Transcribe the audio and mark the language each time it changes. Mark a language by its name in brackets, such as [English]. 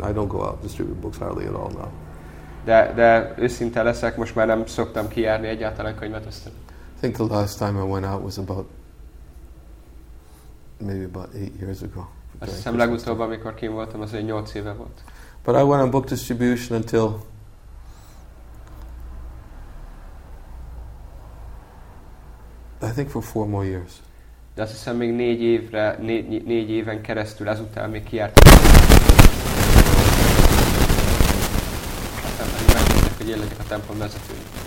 [English] I don't go out distribute books hardly at all now. [Hungarian] De őszinte leszek, most már nem szoktam kijárni egyáltalán könyvet osztani. [English] I think the last time I went out was about maybe about 8 years ago. [Hungarian] Azt hiszem legutóbb, amikor kim voltam, az egy 8 éve volt. [English] But I went on book distribution until I think for 4 more years. [Hungarian] De azt hiszem még 4 évre, 4 éven keresztül ezután még kijártam. Hogy én legyek a templom vezetője.